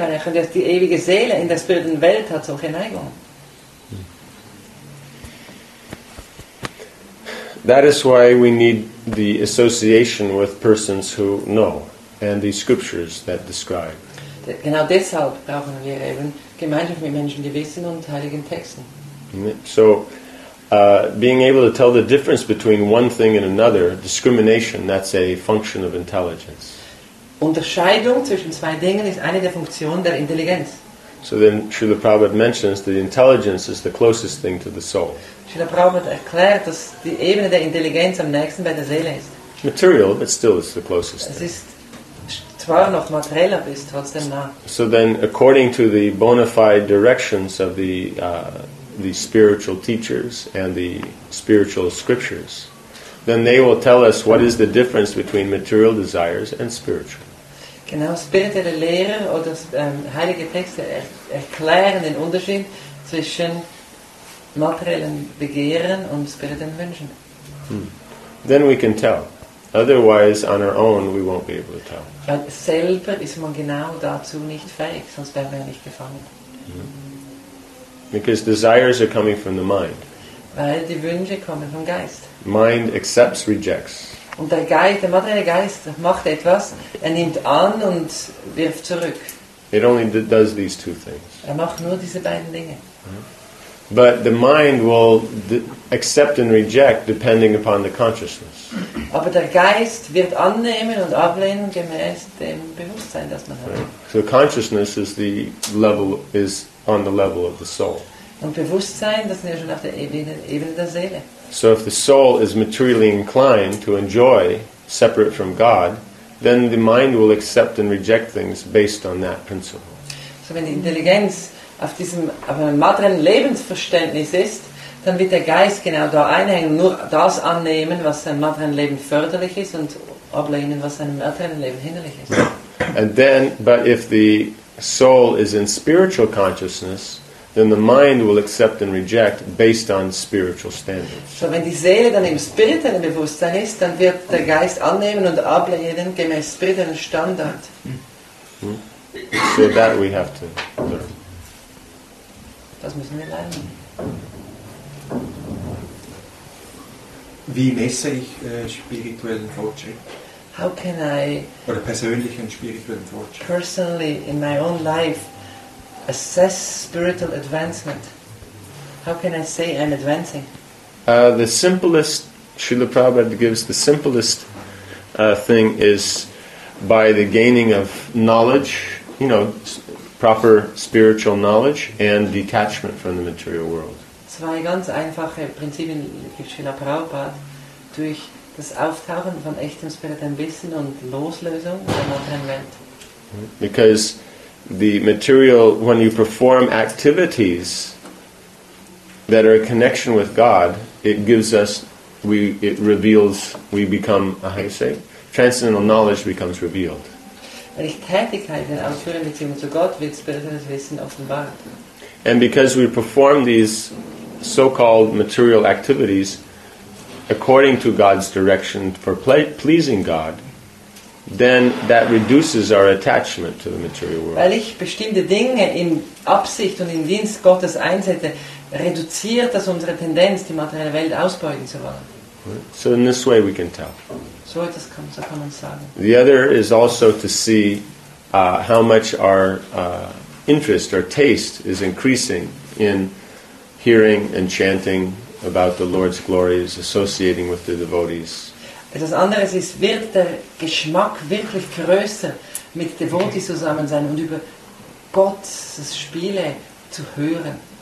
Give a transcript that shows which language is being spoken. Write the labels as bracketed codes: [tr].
[de] Weil er könnte ja die ewige Seele in der spirituellen Welt hat solche Neigungen. [en] That is why we need the association with persons who know and the scriptures that describe. [de] Genau deshalb brauchen wir eben Gemeinschaft mit Menschen, die wissen, und heiligen Texten. [en] So, being able to tell the difference between one thing and another, discrimination, that's a function of intelligence. [de] Unterscheidung zwischen zwei Dingen ist eine der Funktionen der Intelligenz. [en] So then Srila Prabhupada mentions that intelligence is the closest thing to the soul. [de] Srila Prabhupada erklärt, dass die Ebene der Intelligenz am nächsten bei der Seele ist. [en] Material, but still it's the closest thing. [de] Es ist zwar noch materieller, aber ist trotzdem nah. [en] So then, according to the bona fide directions of the spiritual teachers and the spiritual scriptures, then they will tell us what is the difference between material desires and spiritual. [de] Genau, spirituelle Lehre oder heilige Texte erklären den Unterschied zwischen materiellen Begehren und spirituellen Wünschen. [en] Then we can tell. Otherwise, on our own, we won't be able to tell. [de] Weil selber ist man genau dazu nicht fähig, sonst wären wir nicht gefangen. [en] Because desires are coming from the mind. [de] Weil die Wünsche kommen vom Geist. [en] Mind accepts, rejects. [de] Und der Geist, der materielle Geist, macht etwas, er nimmt an und wirft zurück. [en] It only does these two things. [de] Er macht nur diese beiden Dinge. [en] But the mind will accept and reject depending upon the consciousness. [de] Aber der Geist wird annehmen und ablehnen gemäß dem Bewusstsein, das man hat. [en] So consciousness is the level, is on the level of the soul. [de] Und Bewusstsein, das ist ja schon auf der Ebene der Seele. [en] So if the soul is materially inclined to enjoy separate from God, then the mind will accept and reject things based on that principle. [de] So wenn die Intelligenz auf einem materiellen Lebensverständnis ist, dann wird der Geist genau da einhängen, nur das annehmen, was seinem materiellen Leben förderlich ist, und ablehnen, was seinem materiellen Leben hinderlich ist. [en] And then, but if the soul is in spiritual consciousness, then the mind will accept and reject based on spiritual standards. [de] So wenn die Seele dann im spirituellen Bewusstsein ist, dann wird der Geist annehmen und ablehnen gemäß spirituellen Standard. [en] So that we have to learn. [de] Das müssen wir lernen. Wie messe ich spirituellen Fortschritt? [en] How can I [de] oder persönlichen spirituellen Fortschritt? [en] Personally, in my own life, assess spiritual advancement. How can I say I'm advancing? The simplest, Srila Prabhupada gives the simplest thing is by the gaining of knowledge, you know, proper spiritual knowledge and detachment from the material world. [de] Zwei ganz einfache Prinzipien gibt Srila Prabhupada: durch das Auftauchen von echtem spirituellen Wissen und Loslösung der materiellen Welt. [en] Because the material, when you perform activities that are a connection with God, it gives us, we become, how you say, transcendental knowledge becomes revealed. And because we perform these so-called material activities according to God's direction for pleasing God, then that reduces our attachment to the material world. [de] Weil ich bestimmte Dinge in Absicht und in Dienst Gottes einsetze, reduziert das unsere Tendenz, die materielle Welt ausbeuten zu wollen. [en] So in this way we can tell. [de] So etwas kann, so kann man sagen. [en] The other is also to see how much our interest or taste is increasing in hearing and chanting about the Lord's glories, associating with the devotees. [de] Etwas anderes ist, wird der Geschmack wirklich größer, mit Devotees zusammen sein und über Gottes Spiele zu hören?